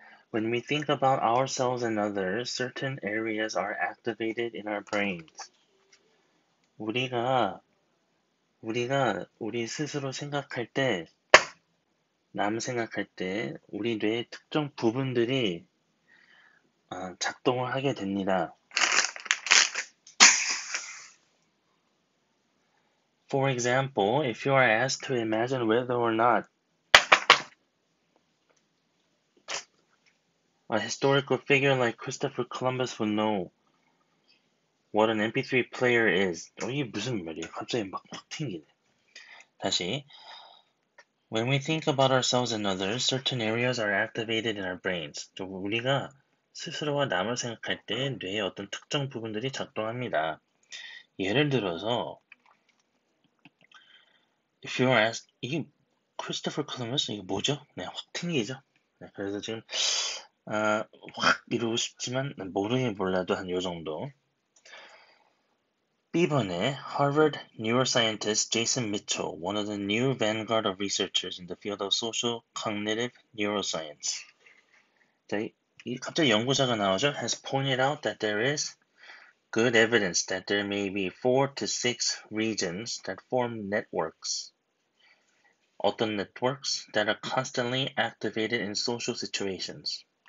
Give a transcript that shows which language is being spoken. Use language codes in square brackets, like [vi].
[en] When we think about ourselves and others, certain areas are activated in our brains. [ko] 우리 스스로 생각할 때, 남 생각할 때, 우리 뇌의 특정 부분들이 작동을 하게 됩니다. [en] For example, if you are asked to imagine whether or not a historical figure like Christopher Columbus would know what an MP3 player is. [ko] 이게 무슨 말이야? 갑자기 막 튕기네. 다시. [en] When we think about ourselves and others, certain areas are activated in our brains. [ko] 우리가 스스로와 남을 생각할 때 뇌의 어떤 특정 부분들이 작동합니다. 예를 들어서, [en] If you are asked, [ko] 이게 Christopher Columbus? 이게 뭐죠? 네, 확 튕기죠? 네, 그래서 지금, 확 이루고 싶지만 모르긴 몰라도 한요 정도. B번에 [en] Harvard Neuroscientist Jason Mitchell, one of the new vanguard of researchers in the field of social cognitive neuroscience. [ko] 자, 갑자기 연구자가 나오죠? [en] Has pointed out that there is good evidence that there may be four to six regions that form networks. [ko] 어떤 [en] networks that are constantly activated in social situations.